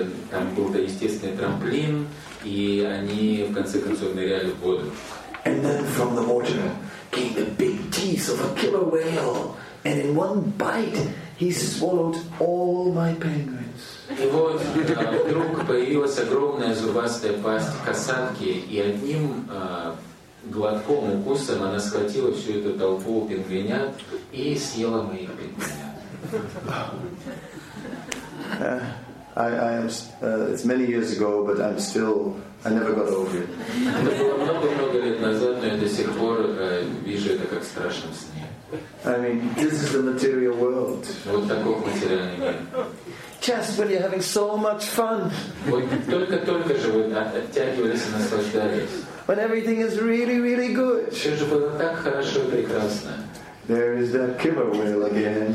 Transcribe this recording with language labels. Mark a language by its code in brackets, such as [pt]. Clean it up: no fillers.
[ru] Там был естественный трамплин, и они в конце концов ныряли в воду. [en] And then from the water came the big teeth of a killer whale, and in one bite he swallowed all my penguins. [ru] И вот вдруг появилась огромная зубастая пасть касатки, и одним глотком укусом она схватила всю эту толпу пингвинят и съела моих пингвинят. [en] It's many years ago, but I never got over it. [ru] Это было много лет назад, но я до сих пор вижу это как страшный сон. [en] I mean, this is the material world. [ru] Вот такой материальный мир. [en] Just when you're having so much fun. [ru] Вот только-только же вы оттягивались и наслаждались. [en] When everything is really, really good. [ru] Все же было так хорошо и прекрасно. [en] There is that killer whale again.